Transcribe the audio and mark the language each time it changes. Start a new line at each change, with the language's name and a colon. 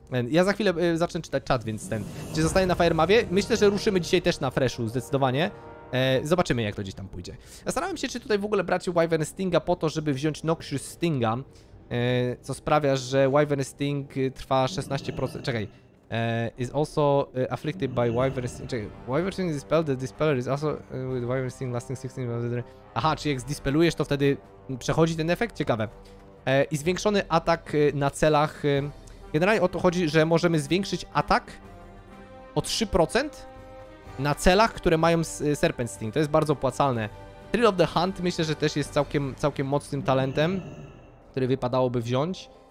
Polish: Ja za chwilę zacznę czytać czat, więc ten, czy zostanie na Firemawie? Myślę, że ruszymy dzisiaj też na freshu, zdecydowanie. Zobaczymy, jak to gdzieś tam pójdzie. Zastanawiam się, czy tutaj w ogóle brać Wyvern Stinga po to, żeby wziąć Noxious Stinga, co sprawia, że Wyvern Sting trwa 16%, czekaj.
English: Is also afflicted by Wyvern Sting.
Polish: Czekaj,
English: Wyvern Sting is dispelled, the dispeller is also with Wyvern Sting lasting 16.
Polish: Aha, czyli jak zdispelujesz, to wtedy przechodzi ten efekt? Ciekawe. I zwiększony atak na celach. Generalnie o to chodzi, że możemy zwiększyć atak o 3% na celach, które mają Serpent Sting. To jest bardzo opłacalne. Thrill of the Hunt myślę, że też jest całkiem mocnym talentem, który wypadałoby wziąć.